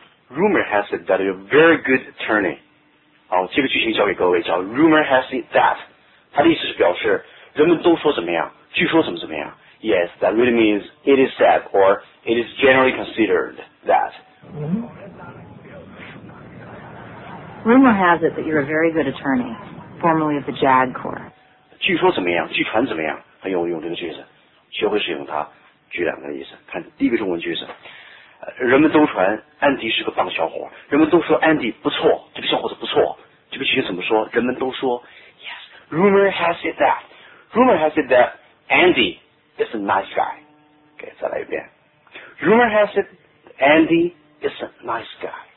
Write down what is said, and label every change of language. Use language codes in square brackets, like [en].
[en] Rumor has it that you're a very good attorney. [zh] 这个剧情交给各位叫 [en] Rumor has it that [zh] 它的意思是表示人们都说怎么样据说怎么怎么样 [en] Yes, that really means it is said or it is generally considered that Rumor has it that you're a very good attorney formerly of the JAG Corps [zh] 据说怎么样据传怎么样很有用这个句子学会使用它举两个例子看第一个中文句子 人们都传安迪是个棒小伙人们都说安迪不错这个小伙子不错 这个句子怎么说? 人们都说, [en] yes, rumor has it that. Rumor has it that Andy is a nice guy. Okay, [zh] 再来一遍. [en] Rumor has it Andy is a nice guy.